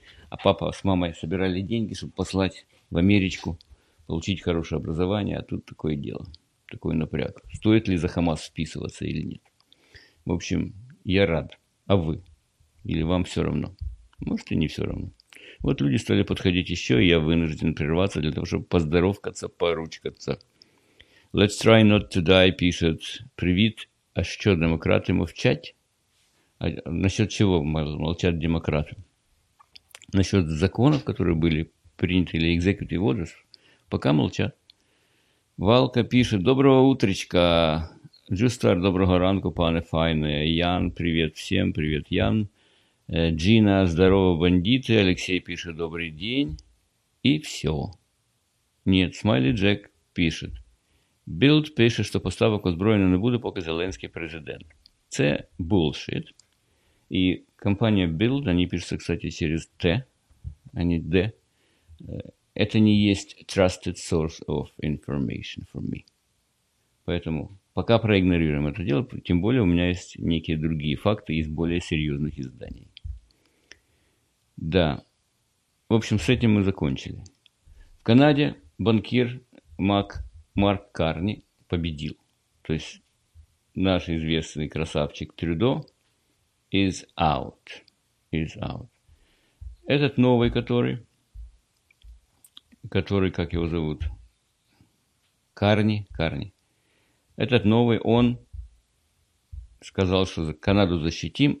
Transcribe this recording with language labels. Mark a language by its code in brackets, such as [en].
[ru] А папа с мамой собирали деньги, чтобы послать в Америчку, получить хорошее образование, а тут такое дело, такой напряг. Стоит ли за Хамас списываться или нет? В общем, я рад. А вы? Или вам все равно? Может, и не все равно. Вот люди стали подходить еще, и я вынужден прерваться для того, чтобы поздоровкаться, поручкаться. [en] Let's try not to die, [ru] пишет. Привет. А что, демократы молчать? Насчет чего молчат демократы? Насчет законов, которые были приняты, или [en] executive orders, [ru] пока молчат. Валка пишет. Доброго утречка. Джустар, [uk] доброго ранку, пане файне. [ru] Ян, привет всем. Привет, Ян. Джина, здорово, бандиты. Алексей пишет. Добрый день. И все. Нет, Смайли Джек пишет. [uk] Білд пише, що поставок озброєння не буде, поки Зеленський президент. Це [en] bullshit. [uk] І компанія Білд, вони пишуться, кстати, через Т, а не Д. Це не є [en] trusted source of information for me. [uk] Поэтому поки проігноруємо це діло, тим більше у мене є некі інші факти із більш серйозних изданий. [ru] Да. В общем, [uk] з цим ми закінчили. В Канаді банкір Мак Марк Карни [ru] победил. То есть наш известный красавчик Трюдо [en] is out. Is out. [ru] Этот новый, который, как его зовут? Карни. Этот новый, он сказал, что Канаду защитим.